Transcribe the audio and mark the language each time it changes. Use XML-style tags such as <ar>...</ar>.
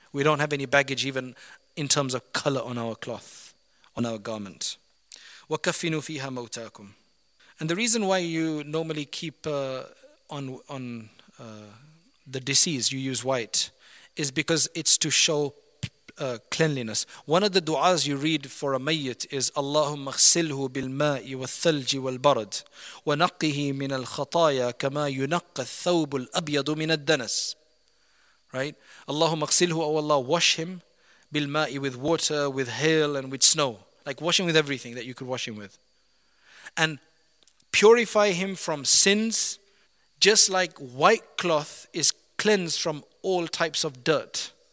<en>We don't have any baggage even in terms of color on our cloth, on our garment.</en> <ar>وَكَفِّنُوا فِيهَا مَوْتَاكُمْ.</ar> <en>And the reason why you normally keep on the deceased, you use white, is because it's to show cleanliness. One of the du'as you read for a mayyit is</en> <ar>اللَّهُمَّ اغْسِلْهُ بِالْمَاءِ وَالثَّلْجِ وَالْبَرَدِ وَنَقِّهِ مِنَ الْخَطَايَا كَمَا يُنَقَّ الثَّوْبُ الْأَبْيَضُ مِنَ الدَّنَسِ.</ar> <en>Right?</en> <ar>اللَّهُمَّ اغْسِلْهُ,</ar> <en>oh Allah, wash him</en> <ar>بِالْمَاءِ,</ar> <en>with water, with hail and with snow. Like wash him with everything that you could wash him with. And purify him from sins, just like white cloth is cleansed from all types of dirt.</en>